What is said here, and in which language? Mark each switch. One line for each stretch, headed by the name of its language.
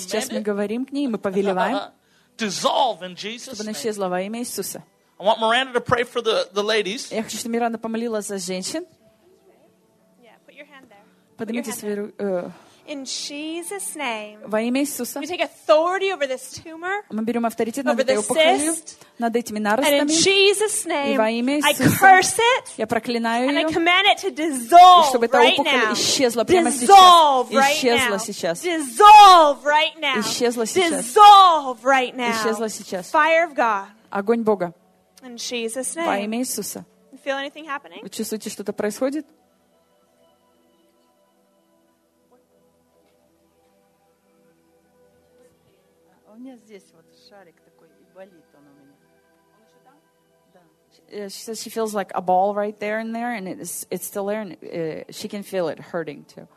Russian: Сейчас мы говорим к ней, мы повелеваем.
English: Dissolve in Jesus' name.
Russian: Чтобы она исчезла во имя Иисуса.
English: I want Miranda to pray for the ladies.
Russian: Я хочу, чтобы Миранда помолилась за женщин.
English: Yeah, put your hand there.
Russian: Поднимите свою руку.
English: In Jesus' name.
Russian: Во имя Иисуса.
English: We take authority over this tumor.
Russian: Мы берем авторитет над этой опухолью, над этими наростами.
English: And in Jesus' name.
Russian: Во имя Иисуса.
English: I curse it.
Russian: Я проклинаю ее.
English: And I command it to dissolve right now.
Russian: Чтобы эта опухоль исчезла прямо сейчас.
English: Dissolve right now.
Russian: Исчезла сейчас.
English: Dissolve right now.
Russian: Исчезла сейчас.
English: Dissolve right now.
Russian: Исчезла сейчас.
English: Fire of God.
Russian: Огонь Бога.
English: In Jesus' name.
Russian: Во имя Иисуса.
English: Feel anything happening?
Russian: Вы чувствуете, что-то происходит? У меня здесь вот шарик такой, и болит он у меня. Он еще там? Да.
English: She feels like a ball right there and there, and it's still there, and she can feel it hurting too.